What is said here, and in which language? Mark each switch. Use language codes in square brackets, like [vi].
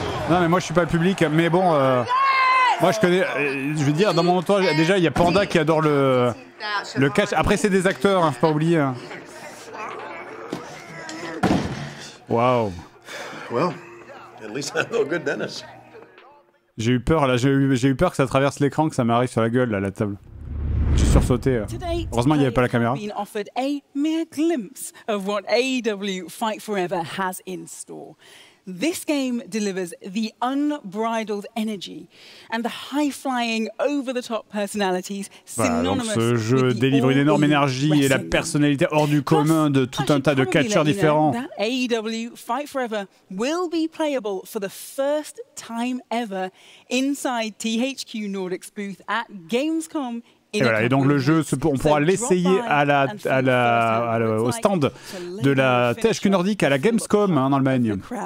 [fr] Non mais moi je suis pas le public, mais bon, moi je connais, je veux dire, dans mon entourage, déjà il y a Panda qui adore le catch, après c'est des acteurs, hein, faut pas oublier. [en] Wow. Well, at least I'm a good dentist. [fr] J'ai eu peur là, j'ai eu peur que ça traverse l'écran, que ça m'arrive sur la gueule là, la table. Sursauté. Heureusement, il n'y avait pas la caméra. [en] Been offered a mere glimpse of what AEW Fight Forever has in store. This game delivers the unbridled energy and the high-flying, over-the-top personalities synonymous [fr] voilà, donc ce jeu délivre une énorme énergie et la personnalité hors du commun de tout un tas de catcheurs différents. [en] AEW Fight Forever will be playable for the first time ever inside THQ Nordic's booth at Gamescom. [fr] Et voilà, et donc le jeu, on pourra l'essayer au stand de la THQ Nordic à la Gamescom en Allemagne.